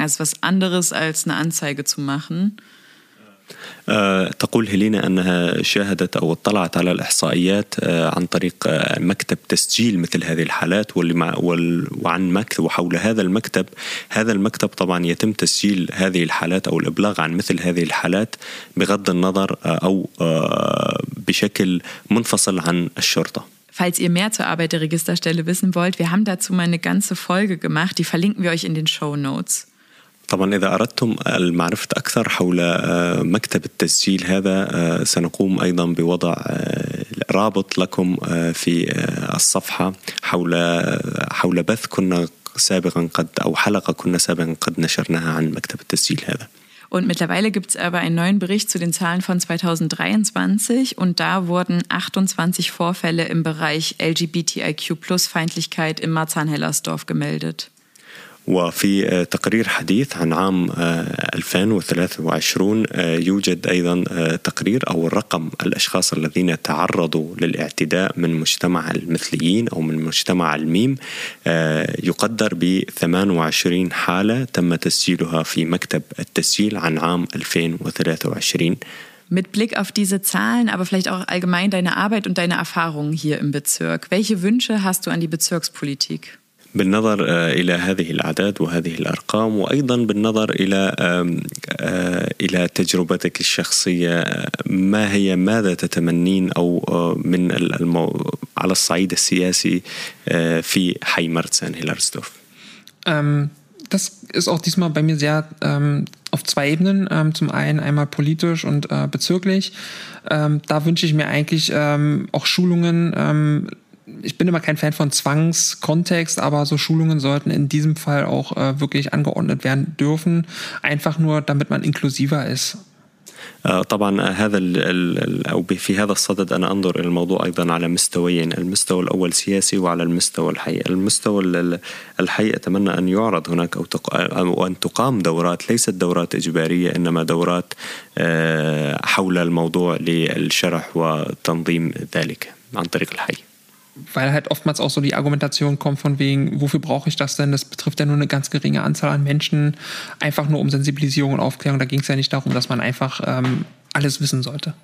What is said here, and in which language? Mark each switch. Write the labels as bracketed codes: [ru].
[de] Also was anderes als eine Anzeige zu machen. [ar] تقول هيلينا أنها شاهدت أو اطلعت على الإحصائيات عن طريق مكتب تسجيل مثل هذه الحالات وعن مكتب وحول هذا المكتب هذا المكتب طبعا يتم تسجيل هذه الحالات أو الإبلاغ عن مثل هذه الحالات بغض النظر أو بشكل منفصل عن الشرطة. [de] Falls ihr mehr zur Arbeit der Registerstelle wissen wollt, wir haben dazu mal eine ganze Folge gemacht, die verlinken wir euch in den Shownotes. [ar] طبعا إذا أردتم المعرفة أكثر حول مكتب التسجيل هذا سنقوم أيضا بوضع رابط لكم في الصفحة حول بث كنا سابقا قد أو حلقة كنا سابقا قد نشرناها عن مكتب التسجيل هذا. [de] Und mittlerweile gibt es aber einen neuen Bericht zu den Zahlen von 2023 und da wurden 28 Vorfälle im Bereich LGBTIQ+-Feindlichkeit in Marzahn-Hellersdorf gemeldet. [ar] وفي تقرير حديث عن عام 2023 يوجد أيضا تقرير أو الرقم الأشخاص الذين تعرضوا للاعتداء من مجتمع المثليين أو من مجتمع الميم يقدر ب 28 حالة تم تسجيلها في مكتب التسجيل عن عام 2023. [de] Mit Blick auf diese Zahlen, aber vielleicht auch allgemein deine Arbeit und deine Erfahrungen hier im Bezirk. Welche Wünsche hast du an die Bezirkspolitik? [ar] بالنظر إلى هذه الأعداد وهذه الأرقام وأيضا بالنظر إلى تجربتك الشخصية ما هي ماذا تتمنين أو من على الصعيد السياسي في حي مرتسان هيلرسدورف؟ [de] Das ist auch diesmal bei mir sehr auf zwei Ebenen. Zum einen einmal politisch und bezirklich. Da wünsche ich mir eigentlich auch Schulungen. Ich bin immer kein Fan von Zwangskontext, aber so Schulungen sollten in diesem Fall auch wirklich angeordnet werden dürfen. Einfach nur, damit man inklusiver ist. [ar] طبعا هذا أو في هذا الصدد أنا أنظر إلى الموضوع أيضا على مستويين، المستوى الأول سياسي وعلى المستوى الحي. المستوى الحي أتمنى أن يعرض هناك أو أن تقام دورات، ليست دورات إجبارية إنما دورات حول الموضوع للشرح وتنظيم ذلك عن طريق الحي. [de] Weil halt oftmals auch so die Argumentation kommt von wegen, wofür brauche ich das denn? Das betrifft ja nur eine ganz geringe Anzahl an Menschen. Einfach nur um Sensibilisierung und Aufklärung. Da ging es ja nicht darum, dass man einfach alles wissen sollte.